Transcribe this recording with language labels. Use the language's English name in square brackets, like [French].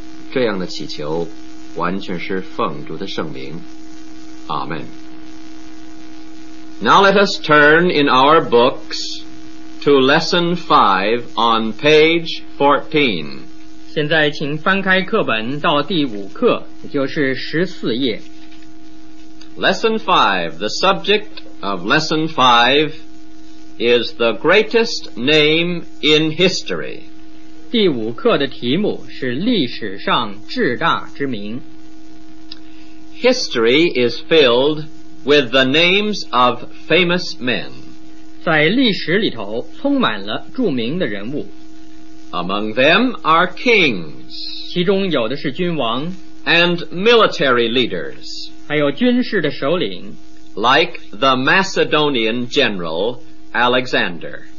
[Chinese] 这样的祈求完全是奉主的圣名，阿们。 [English] Now let us turn in our books to lesson 5 on page 14. [Chinese] 现在请翻开课本到第五课，也就是十四页。 [English] Lesson 5, the subject of Lesson 5 is the greatest name in history. [Chinese] 第五课的题目是历史上至大之名。 [English] History is filled with the names of famous men. [Chinese] 在历史里头充满了著名的人物。 [English] Among them are kings. [Chinese] 其中有的是君王。 [English] And military leaders. [Chinese] 还有军事的首领， [English] like the Macedonian general Alexander，